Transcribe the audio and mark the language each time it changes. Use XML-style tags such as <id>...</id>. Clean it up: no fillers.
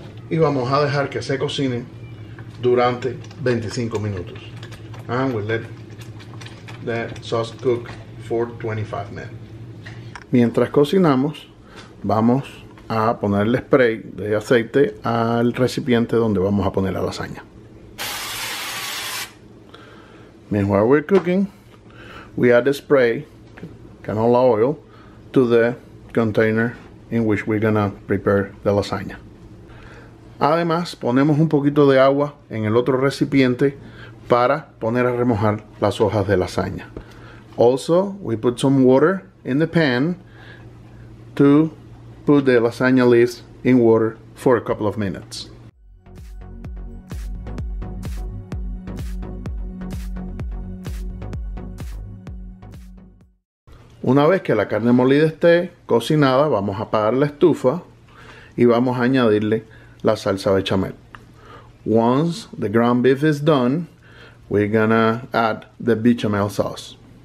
<es>Y vamos a dejar que se cocine durante 25 minutos.</es> <en>And we'll let the sauce cook for 25 minutes.</en> <es>Mientras cocinamos, vamos a poner el spray de aceite al recipiente donde vamos a poner la lasaña.</es> <en>Meanwhile we're cooking, we add the spray, canola oil, to the container in which we're gonna prepare the lasaña.</en> <es>Además, ponemos un poquito de agua en el otro recipiente para poner a remojar las hojas de lasaña.</es> <en>Also, we put some water in the pan to put the lasagna leaves in water for a couple of minutes.</en> <es>Una vez que la carne molida esté cocinada, vamos a apagar la estufa y vamos a añadirle la salsa bechamel.</es> <en>Once the ground beef is done, we're gonna add the bechamel sauce.</en>